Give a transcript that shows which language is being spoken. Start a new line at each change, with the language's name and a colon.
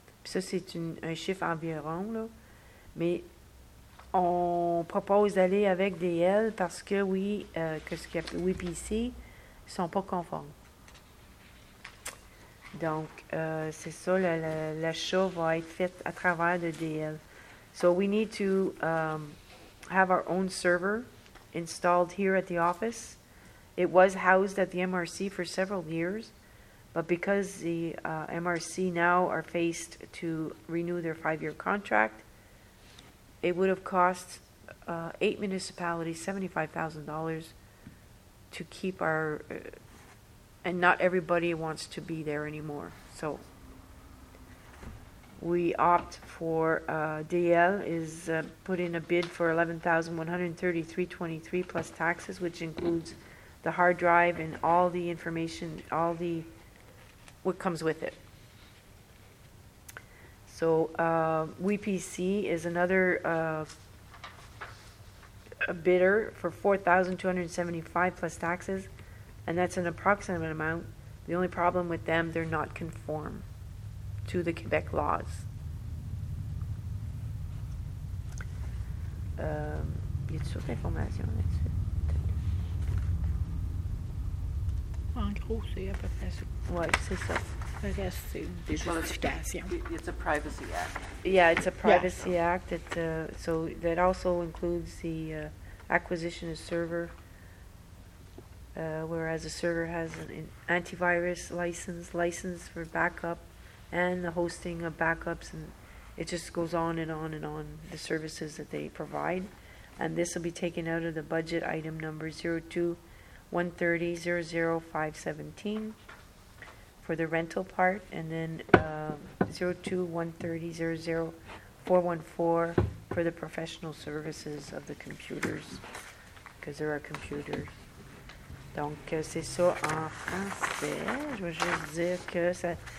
French: Puis ça, c'est un chiffre environ, là. Mais on propose d'aller avec DL parce que, oui, WEPC, ils ne sont pas conformes. Donc, c'est ça, l'achat va être fait à travers de DL.
English: So, we need to have our own server installed here at the office. It was housed at the MRC for several years, But because the MRC now are faced to renew their five-year contract, it would have cost eight municipalities $75,000 to keep our, and not everybody wants to be there anymore. So we opt for DL is put in a bid for $11,133.23 plus taxes, which includes the hard drive and all the information, all the what comes with it. So WPC is another a bidder for $4,275 plus taxes, and that's an approximate amount. The only problem with them, they're not conform to the Quebec laws.
French: Y a-t-il toute l'information là-dessus? En gros, c'est à peu près ça. Oui, c'est ça. Le reste, c'est des justifications.
English: It's a privacy act. Yeah, it's a privacy act. That, so that also includes the acquisition of server, whereas a server has an antivirus license for backup, and the hosting of backups, and it just goes on and on and on, the services that they provide. And this will be taken out of the budget item number 02-130-00517 for the rental part, and then 02-130-00414 for the professional services of the computers, because there are computers.
French: Donc, c'est ça en français. Je veux juste dire que ça...